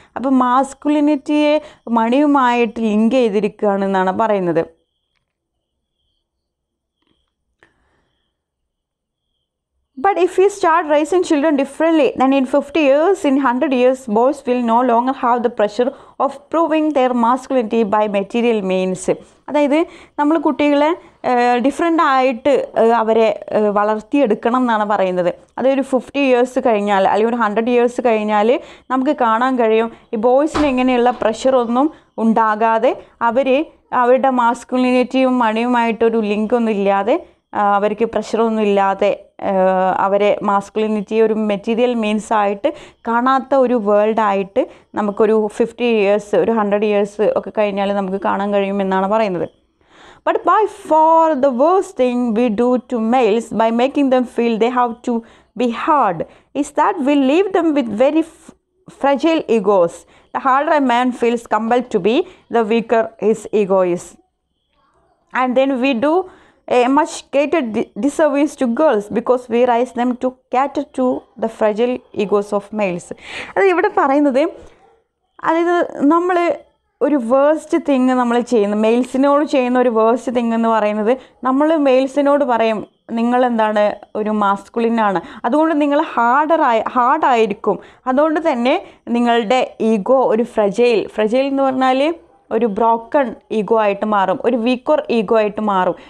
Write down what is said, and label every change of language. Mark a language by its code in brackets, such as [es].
[ml] അപ്പോൾ മാസ്കുലിനിറ്റിയെ മണിയുമായിട്ട് ലിങ്ക് ചെയ്തിരിക്കുകയാണ് എന്നാണ് പറയുന്നത്. [en] But if we start raising children differently, then in 50 years, in 100 years, boys will no longer have the pressure of proving their masculinity by material means. [ml] അതായത് നമ്മൾ കുട്ടികളെ different ആയിട്ട് അവരെ വളർത്തിയെടുക്കണം എന്നാണ് പറയുന്നത്. അതൊരു 50 ഇയേഴ്സ് കഴിഞ്ഞാൽ അല്ലെങ്കിൽ ഒരു 100 ഇയേഴ്സ് കഴിഞ്ഞാൽ നമുക്ക് കാണാൻ കഴിയും ഈ ബോയ്സിന് എങ്ങനെയുള്ള പ്രഷറൊന്നും ഉണ്ടാകാതെ അവർ അവരുടെ മാസ്കുലിനിറ്റിയും മണിയുമായിട്ടൊരു ലിങ്കൊന്നും ഇല്ലാതെ അവർക്ക് പ്രഷറൊന്നും ഇല്ലാതെ അവരെ മാസ്കുലിനിറ്റി ഒരു മെറ്റീരിയൽ മീൻസ് ആയിട്ട് കാണാത്ത ഒരു വേൾഡ് ആയിട്ട് നമുക്കൊരു 50 ഇയേഴ്സ് ഒരു 100 ഇയേഴ്സ് ഒക്കെ കഴിഞ്ഞാൽ നമുക്ക് കാണാൻ കഴിയുമെന്നാണ് പറയുന്നത്. [en] But by for the worst thing we do to males by making them feel they have to be hard is that will leave them with very fragile egos. The harder a man feels compel to be the weaker his ego is and then we do a much greater disservice to girls because we raise them to cater to the fragile egos of males. [ml] അത് ഇവിടെ പറയുന്നത്, അതായത് നമ്മൾ ഒരു worst thing നമ്മൾ ചെയ്യുന്നു, മെയിൽസിനോട് ചെയ്യുന്ന ഒരു വേഴ്സ്റ്റ് തിങ് എന്ന് പറയുന്നത് നമ്മൾ മെയിൽസിനോട് പറയും നിങ്ങളെന്താണ് ഒരു മാസ്കുലിനാണ്, അതുകൊണ്ട് നിങ്ങൾ ഹാർഡായിരിക്കും, അതുകൊണ്ട് തന്നെ നിങ്ങളുടെ ഈഗോ ഒരു ഫ്രജൈൽ എന്ന് പറഞ്ഞാൽ ഒരു ബ്രോക്കൺ ഈഗോ ആയിട്ട് മാറും, ഒരു വീക്കർ ഈഗോ ആയിട്ട് മാറും.